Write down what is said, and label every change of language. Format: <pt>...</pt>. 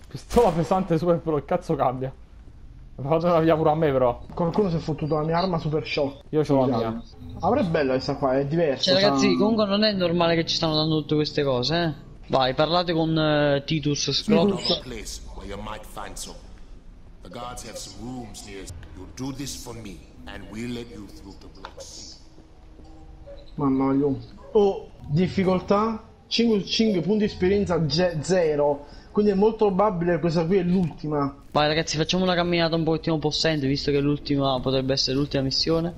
<it>Pistola pesante, super veloce, che cazzo cambia? Fate una via pure a me, però. Qualcuno si è fottuto la mia arma super shock. Io ce l'ho la mia. Ah, però è bella questa qua, è diversa. Cioè, ragazzi, comunque non è normale che ci stanno dando tutte queste cose, eh. Vai, parlate con Titus Scrotus. Un posto dove potrai trovare qualcosa.</it> <en>The guards have some rooms near. You do this for me and we'll let you through the blocks.</en> <it>Mamma mia. Oh, difficoltà 5 punti esperienza 0. Quindi è molto probabile che questa qui è l'ultima. Vai ragazzi, facciamo una camminata un pochettino possente, visto che l'ultima potrebbe essere l'ultima missione.</it>